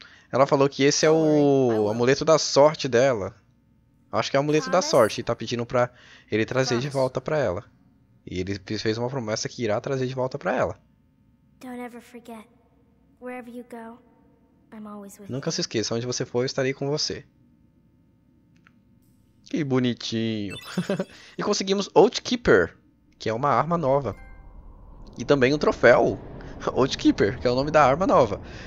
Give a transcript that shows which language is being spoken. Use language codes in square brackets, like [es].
[pt] Ela falou que esse é o amuleto da sorte dela. Acho que é o amuleto da sorte. E tá pedindo pra ele trazer de volta pra ela. E ele fez uma promessa que irá trazer de volta pra ela. [en] Don't ever forget. Wherever you go, I'm always with you. [pt] Nunca se esqueça, onde você for, eu estarei com você. Que bonitinho. E conseguimos Oathkeeper, que é uma arma nova. E também um troféu. Oathkeeper, que é o nome da arma nova.